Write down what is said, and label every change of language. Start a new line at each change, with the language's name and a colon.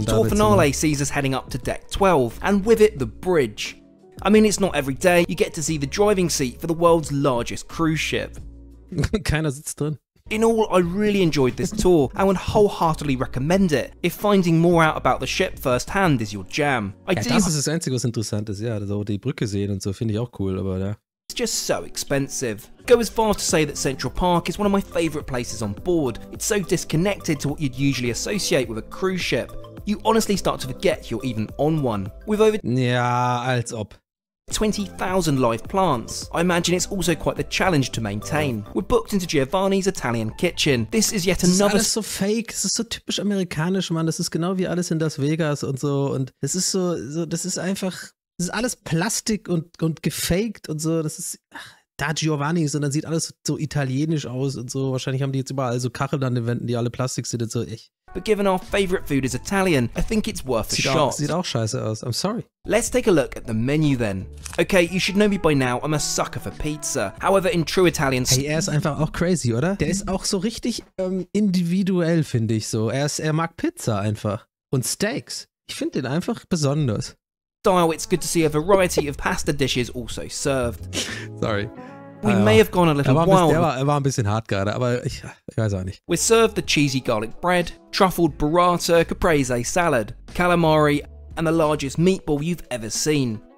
English: The tour finale sees us heading up to deck 12, and with it, the bridge. I mean, it's not every day you get to see the driving seat for the world's largest cruise ship.
German: Keiner sitzt drin.
English: In all, I really enjoyed this tour and would wholeheartedly recommend it if finding more out about the ship firsthand is your jam.
German: Das ist das Einzige, was interessant ist, ja, so die Brücke sehen und so finde ich auch cool, aber ja.
English: It's just so expensive. Go as far to say that Central Park is one of my favorite places on board. It's so disconnected to what you'd usually associate with a cruise ship. You honestly start to forget you're even on one. With over...
German: Ja, als ob.
English: 20,000 live plants. I imagine it's also quite the challenge to maintain. We're booked into Giovanni's Italian kitchen. This is yet another.
German: Das ist alles so fake. Das ist so typisch amerikanisch, Mann. Das ist genau wie alles in Las Vegas und so. Und es ist so, das ist einfach. Das ist alles Plastik und gefaked und so. Das ist. Da Giovanni's und dann sieht alles so italienisch aus und so. Wahrscheinlich haben die jetzt überall so Kacheln an den Wänden, die alle Plastik sind und so. Ich.
English: But given our favorite food is Italian, I think it's worth a shot.
German: Sieht auch scheiße aus.
English: I'm sorry. Let's take a look at the menu then. Okay, you should know me by now, I'm a sucker for pizza. However, in true Italian...
German: Hey, er ist einfach auch crazy, oder? Der ist auch so richtig individuell, finde ich so. Er mag Pizza einfach. Und Steaks. Ich finde den einfach besonders.
English: Style, it's good to see a variety of pasta dishes also served. Sorry. We may have gone a little wild.
German: Er war ein bisschen hart gerade, aber ich weiß auch nicht.
English: We served the cheesy garlic bread, truffled burrata, caprese salad, calamari, and the largest meatball you've ever seen.